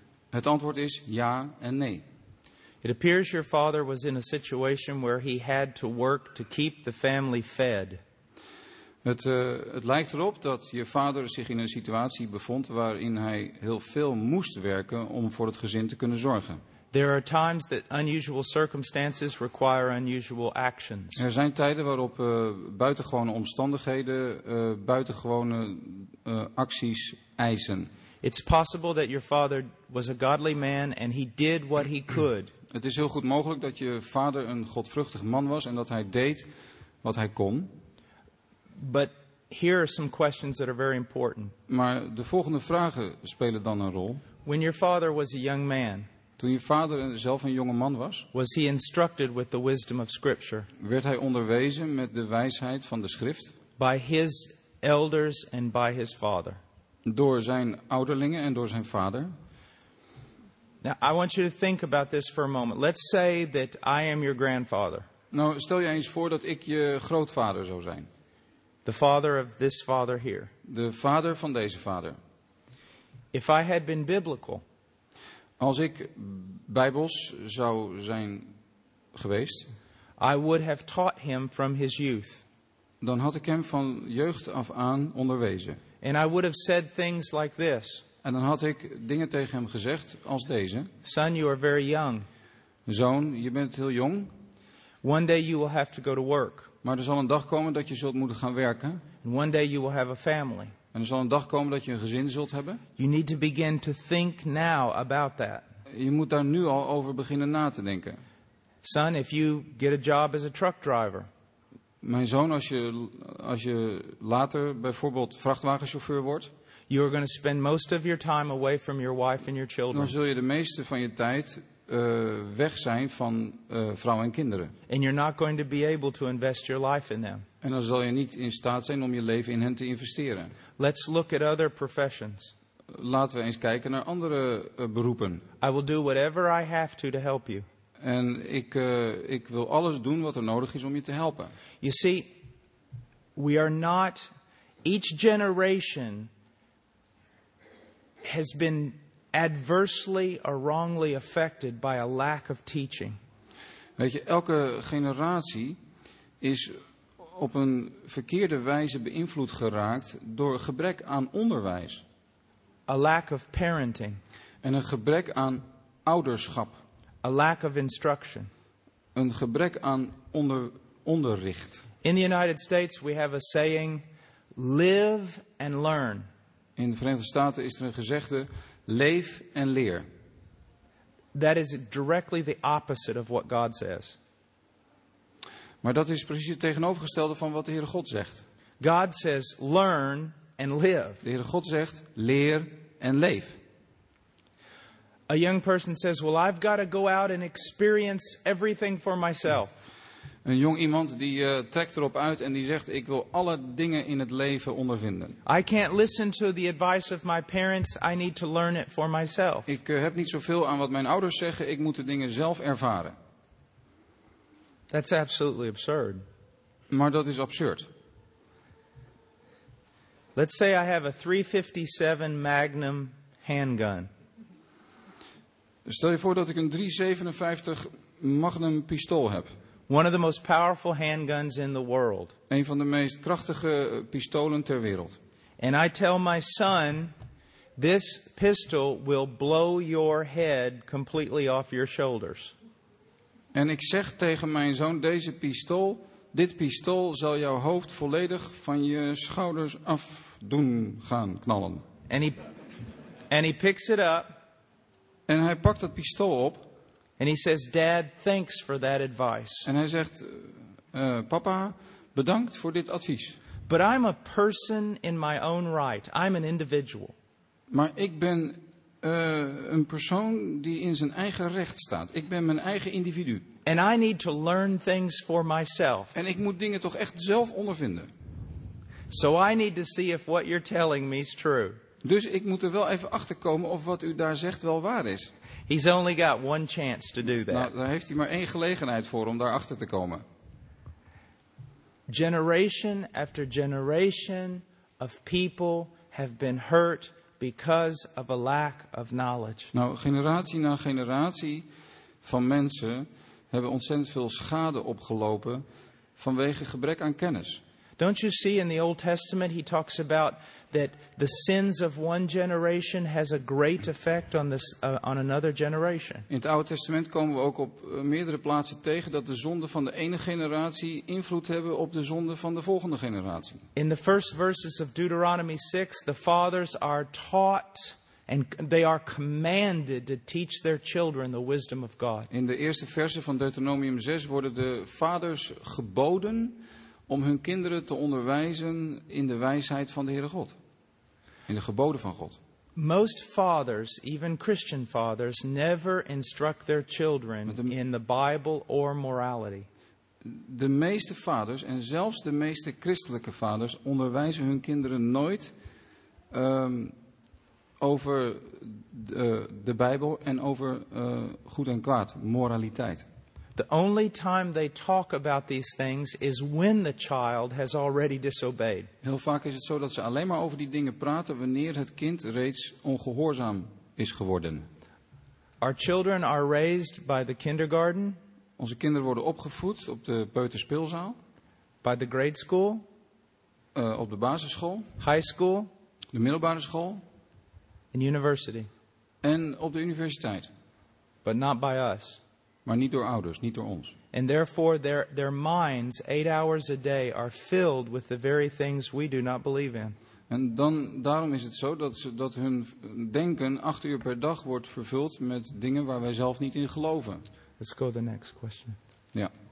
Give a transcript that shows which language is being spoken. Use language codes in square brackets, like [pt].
[nl] Het antwoord is ja en nee. [en] It appears your father was in a situation where he had to work to keep the family fed. [nl] Het lijkt erop dat je vader zich in een situatie bevond waarin hij heel veel moest werken om voor het gezin te kunnen zorgen. [en] There are times that unusual circumstances require unusual actions. [nl] Er zijn tijden waarop buitengewone omstandigheden buitengewone acties eisen. [en] It's possible that your father was a godly man and he did what he could. [nl] Het is heel goed mogelijk dat je vader een godvruchtig man was en dat hij deed wat hij kon. [en] But here are some questions that are very important. [nl] Maar de volgende vragen spelen dan een rol. [en] When your father was a young man, [nl] toen je vader zelf een jonge man was, [en] was he instructed with the wisdom of Scripture? [nl] Werd hij onderwezen met de wijsheid van de Schrift? [en] By his elders and by his father. [nl] Door zijn ouderlingen en door zijn vader. [en] Now I want you to think about this for a moment. Let's say that I am your grandfather. [nl] Nou, stel je eens voor dat ik je grootvader zou zijn. [en] The father of this father here. [nl] De vader van deze vader. [en] If I had been biblical. [nl] Als ik bijbels zou zijn geweest. [en] I would have taught him from his youth. [nl] Dan had ik hem van jeugd af aan onderwezen. [en] And I would have said things like this. [nl] En dan had ik dingen tegen hem gezegd als deze. [en] Son, you are very young. [nl] Zoon, je bent heel jong. [en] One day you will have to go to work. [nl] Maar er zal een dag komen dat je zult moeten gaan werken. [en] And one day you will have a family. [nl] En er zal een dag komen dat je een gezin zult hebben. [en] You need to begin to think now about that. [nl] Je moet daar nu al over beginnen na te denken. [en] Son, if you get a job as a truck driver. [nl] Mijn zoon, als je later bijvoorbeeld vrachtwagenchauffeur wordt. [en] You are going to spend most of your time away from your wife and your children. [nl] Dan zul je de meeste van je tijd weg zijn van vrouw en kinderen. [en] And you're not going to be able to invest your life in them. [nl] En dan zal je niet in staat zijn om je leven in hen te investeren. [en] Let's look at other professions. [nl] Laten we eens kijken naar andere beroepen. [en] I will do whatever I have to help you. [nl] En ik wil alles doen wat er nodig is om je te helpen. [en] You see, we are not each generation has been adversely or wrongly affected by a lack of teaching. [nl] Weet je, elke generatie is op een verkeerde wijze beïnvloed geraakt door gebrek aan onderwijs. [en] A lack of parenting. [nl] En een gebrek aan ouderschap. [en] A lack of instruction. [nl] Een gebrek aan onderricht. [en] In the United States we have a saying, live and learn. [nl] In de Verenigde Staten is er een gezegde, leef en leer. [en] That is directly the opposite of what God says. [nl] Maar dat is precies het tegenovergestelde van wat de Heere God zegt. [en] God says, learn and live. [nl] De Heere God zegt, leer en leef. [en] A young person says, well, I've got to go out and experience everything for myself. [nl] Een jong iemand die trekt erop uit en die zegt, ik wil alle dingen in het leven ondervinden. [en] I can't listen to the advice of my parents, I need to learn it for myself. [nl] Ik heb niet zoveel aan wat mijn ouders zeggen, ik moet de dingen zelf ervaren. [en] That's absolutely absurd. [nl] Maar dat is absurd. [en] Let's say I have a 357 Magnum handgun. [nl] Stel je voor dat ik een 357 Magnum pistool heb. [en] One of the most powerful handguns in the world. [nl] Een van de meest krachtige pistolen ter wereld. [en] And I tell my son, this pistol will blow your head completely off your shoulders. [nl] En ik zeg tegen mijn zoon, dit pistool zal jouw hoofd volledig van je schouders af doen gaan knallen. [en] And he picks it up. [nl] En hij pakt dat pistool op. [en] And he says, Dad, thanks for that advice. [nl] En hij zegt, Papa, bedankt voor dit advies. [en] But I'm a person in my own right. I'm an individual. [nl] Maar ik ben een persoon die in zijn eigen recht staat. Ik ben mijn eigen individu. [en] And I need to learn things for myself. [nl] En ik moet dingen toch echt zelf ondervinden. [en] So I need to see if what you're telling me is true. [nl] Dus ik moet er wel even achter komen of wat u daar zegt wel waar is. [en] He's only got one chance to do that. [nl] Nou, daar heeft hij maar één gelegenheid voor om daar achter te komen. [en] Generation after generation of people have been hurt because of a lack of knowledge. [nl] Nou, generatie na generatie van mensen hebben ontzettend veel schade opgelopen vanwege gebrek aan kennis. [en] Don't you see in the Old Testament he talks about that the sins of one generation has a great effect on this on another generation. [nl] In het Oude Testament komen we ook op meerdere plaatsen tegen dat de zonden van de ene generatie invloed hebben op de zonden van de volgende generatie. [en] In the first verses of Deuteronomy 6, the fathers are taught and they are commanded to teach their children the wisdom of God. [nl] In de eerste verse van Deuteronomium 6 worden de vaders geboden om hun kinderen te onderwijzen in de wijsheid van de Heere God. In de geboden van God. [en] Most fathers, even Christian fathers, never instruct their children in the Bible or morality. [nl] De meeste vaders, en zelfs de meeste christelijke vaders, onderwijzen hun kinderen nooit over de Bijbel en over goed en kwaad, moraliteit. [en] The only time they talk about these things is when the child has already disobeyed. [nl] Heel vaak is het zo dat ze alleen maar over die dingen praten wanneer het kind reeds ongehoorzaam is geworden. [en] Our children are raised by the kindergarten. [nl] Onze kinderen worden opgevoed op de peuterspeelzaal. [en] By the grade school. [nl] Op de basisschool. [en] High school. [nl] De middelbare school. [en] And university. [nl] En op de universiteit. [en] But not by us. [nl] Maar niet door ouders, niet door ons. [en] And therefore their minds 8 hours a day are filled with the very things we do not believe in. [nl] En dan daarom is het zo dat hun denken 8 uur per dag wordt vervuld met dingen waar wij zelf niet in geloven. [en] Let's go to the next question. [nl] Ja.